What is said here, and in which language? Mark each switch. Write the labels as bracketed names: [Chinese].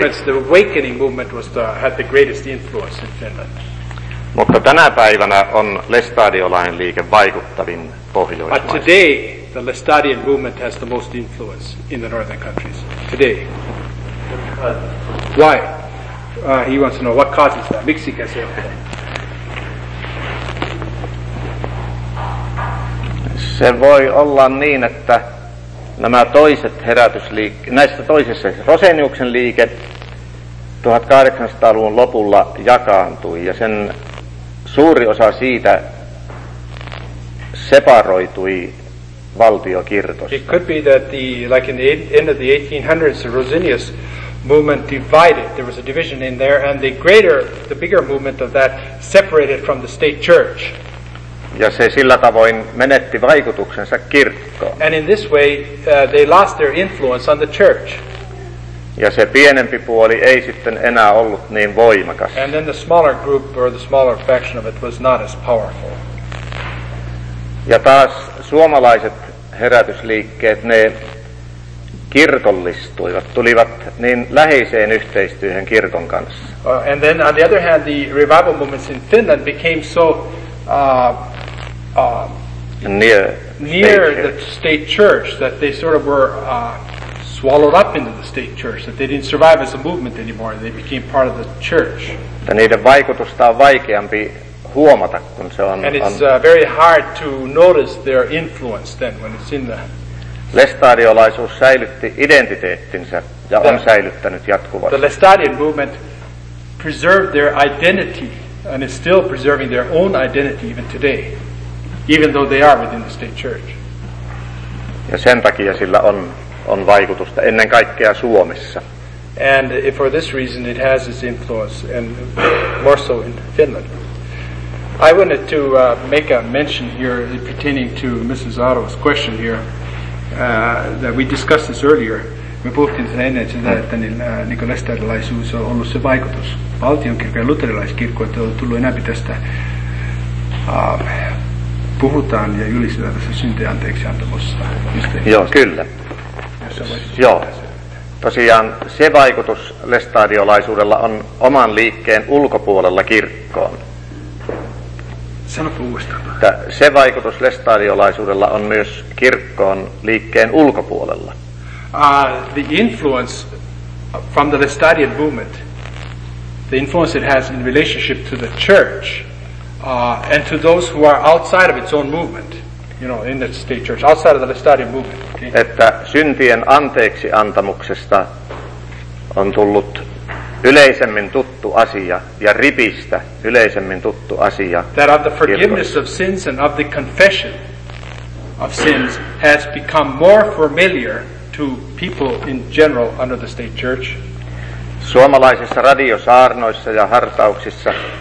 [English] The awakening movement was the, had the greatest influence in Finland. [Finnish] Mutta tänä päivänä on Lestadiolainen liike vaikuttavin Pohjoismaissa. [English] But today, the Lestadian movement has the most influence in the northern countries. Today. Why? He wants to know what causes that. [Finnish] Miksi käsi on? Se voi olla niin, että nämä toiset herätysliikkeet, näistä toisessa Roseniuksen liike 1800-luvun lopulla jakaantui ja sen suuri osa siitä separoitui valtiokirkosta. [English] It could be that the, like in the end of the 1800s, the Rosenius movement divided. There was a division in there, and the greater, the bigger movement of that separated from the state church. [Finnish] Ja se sillä tavoin menetti vaikutuksensa kirkkoon. [English] And in this way, they lost their influence on the church. [Finnish] Ja se pienempi puoli ei sitten enää ollut niin voimakas. [English] And then the smaller group or the smaller faction of it was not as powerful. [Finnish] Ja taas suomalaiset herätysliikkeet, ne kirkollistuivat, tulivat niin läheiseen yhteistyöhön kirkon kanssa. [English] And then on the other hand, the revival movements in Finland became so near the state church that they sort of were swallowed up into the state church, that they didn't survive as a movement anymore, they became part of the church. [Finnish] Ja niiden vaikutusta on vaikeampi huomata, kun se on, [English] and it's very hard to notice their influence then when it's in the [Finnish] Lestadiolaisuus säilytti identiteettinsä ja on säilyttänyt jatkuvasti. [English] The Lestadian movement preserved their identity and is still preserving their own identity even today, even though they are within the state church. [Finnish] Ja sen takia sillä on vaikutusta ennen kaikkea Suomessa. [English] And for this reason it has its influence and more so in Finland. I wanted to make a mention here pertaining to Mrs. Otto's question here. That we discussed this earlier. [Finnish] Me puhuttiin sen ennen, että niin kuin lestadiolaisuus on ollut se vaikutus. Valtionkirkko ja luterilaiskirkko, että on tullut enemmän tästä puhutaan ja ylistetään tässä syntejä anteeksiantamossa. Joo, kyllä. Joo. Tosiaan se vaikutus lestadiolaisuudella on oman liikkeen ulkopuolella kirkkoon. Sanoppa uudestaan. Että se vaikutus lestadiolaisuudella on myös kirkkoon liikkeen ulkopuolella. [English] The influence from the Lestadian movement, the influence it has in relationship to the church and to those who are outside of its own movement, you know, in the state church, outside of the Lestadian movement. Okay? [Finnish] Että syntien anteeksi antamuksesta on tullut yleisemmin tuttu asia ja ripistä yleisemmin tuttu asia. [English] That of the forgiveness of sins and of the confession of sins has become more familiar to people in general under the state church. [Finnish] Suomalaisissa radiosaarnoissa ja hartauksissa.